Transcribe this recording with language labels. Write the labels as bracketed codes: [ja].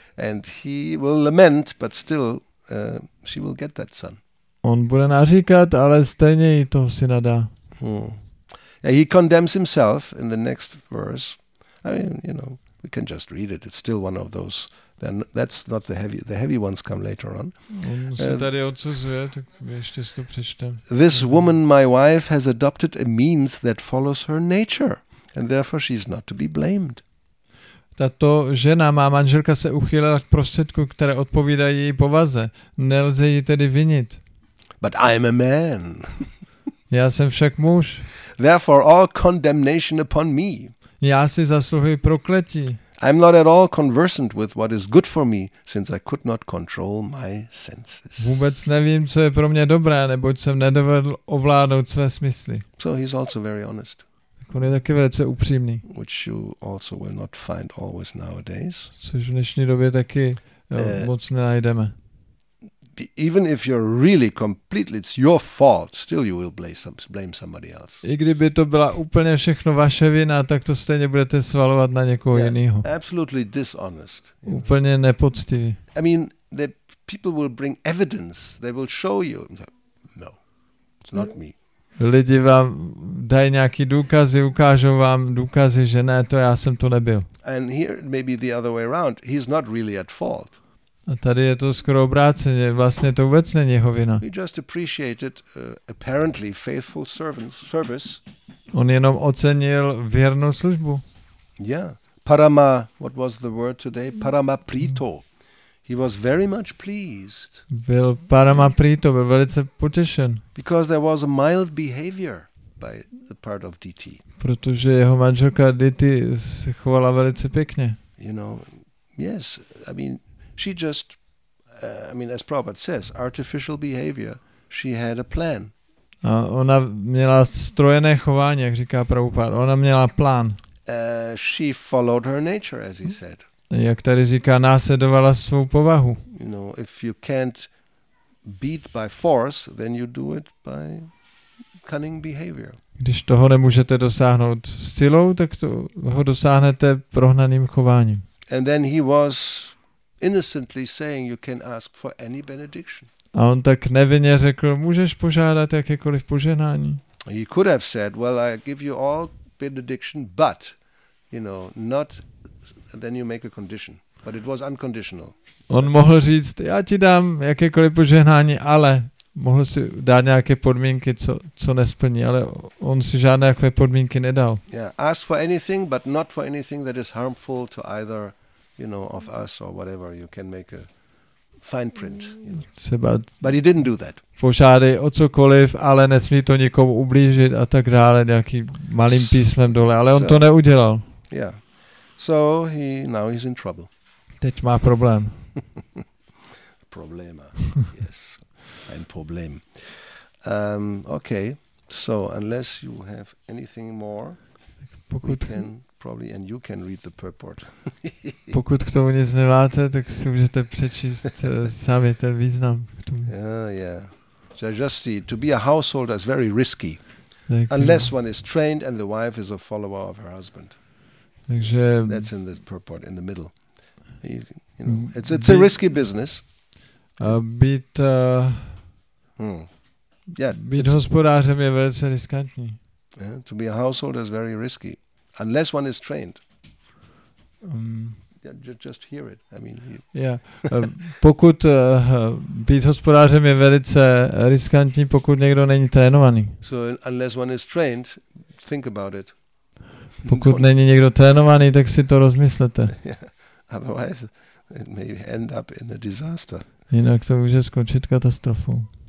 [en] And he will lament, but still she will get that son. [cs] On bude naříkat, ale stejně jí toho syna dá. [en] Yeah, he condemns himself in the next verse. I mean, you know, we can just read it. It's still one of those. Then that's not the heavy. The heavy ones come later on. [cs] On se tady odsuzuje, tak ještě si to přečtem. [en] This woman, my wife, has adopted a means that follows her nature, and therefore she's not to be blamed. [cs] Tato žena, má manželka, se uchýlila k prostředku, které odpovídá její povaze. Nelze ji tedy vinit. [en] But I am a man. [cs] Já jsem však muž. [en] Therefore all condemnation upon me. [cs] Já si zasluhuji prokletí. [en] I'm not at all conversant with what is good for me, since I could not control my senses. [cs] Vůbec nevím, co je pro mě dobré, neboť jsem nedovedl ovládnout své smysly. [en] So he's also very honest. [cs] On je taky velice upřímný. [en] Which you also will not find always nowadays. [cs] Což v dnešní době taky moc nenajdeme. [en] Even if you're really completely, it's your fault, still you will blame somebody else. [cs] I kdyby to byla úplně všechno vaše vina, tak to stejně budete svalovat na někoho jiného. [en] Absolutely dishonest. [cs] Úplně nepoctivý. [en] I mean, the people will bring evidence, they will show you. No, it's not me. [cs] Lidi vám dají nějaký důkazy, ukážou vám důkazy, že ne, to já jsem to nebyl. [en] And here it may be the other way around. He's not really at fault. [cs] A tady je to skoro obráceně, vlastně to vůbec není jeho vina. [en] He just appreciated apparently faithful service. [cs] On jenom ocenil věrnou službu. [en] Yeah. Parama, what was the word today? Parama prito. He was very much pleased. [cs] Byl parama prito, byl velice potěšen. [en] Because there was a mild behavior by the part of DT. [cs] Protože jeho manželka DT se chovala velice pěkně. [en] You know, yes, I mean, she just, I mean, as Prabhupada says, artificial behavior. She had a plan. [cs] A ona měla strojené chování, jak říká Prabhupada. Ona měla plán. [en] She followed her nature, as he said. [cs] Jak tady říká, následovala svou povahu. [en] You know, if you can't beat by force, then you do it by cunning behavior. [cs] Když toho nemůžete dosáhnout silou, tak toho dosáhnete prohnaným chováním. [en] And then he was innocently saying you can ask for any benediction. [cs] A on tak nevinně řekl, můžeš požádat jakékoliv požehnání. [en] He could have said, well, I give you all benediction, but, you know, not, then you make a condition. But it was unconditional. [cs] On mohl říct, já ti dám jakékoliv požehnání, ale mohl si dát nějaké podmínky, co nesplní, ale on si žádné jaké podmínky nedal. [en] Yeah, ask for anything, but not for anything that is harmful to either, you know, of us or whatever, you can make a fine print. Seba, but he didn't do that. [cs] Požádej o cokoliv, ale nesmí to nikomu ublížit a tak dále, nějakým malým písmem dole, ale on to neudělal. [en] Yeah. So he, now he's in trouble. [cs] Teď má problém. [en] Problema. Yes. [de] Ein Problem. [en] Okay. So unless you have anything more, [cs] pokud [en] we can probably, and you can read the purport. [cs] Pokud k tomu nic nemáte, tak si můžete přečíst sami ten význam k tomu. [en] Yeah. Just see, to be a householder is very risky. [cs] Tak, [en] unless one is trained and the wife is a follower of her husband. [cs] Takže [en] that's in the purport, in the middle. You know, it's a risky business. [cs] Být hospodářem je velice riskantní. [en] Yeah, to be a householder is very risky. Unless one is trained. just hear it. I mean, you yeah. [cs] Pokud být hospodářem je velice riskantní, pokud někdo není trénovaný. [en] So unless one is trained, think about it. [cs] Pokud není někdo trénovaný, tak si to rozmyslete. [en] Yeah. Otherwise, it may end up in a disaster. [cs] Jinak to může skončit katastrofou.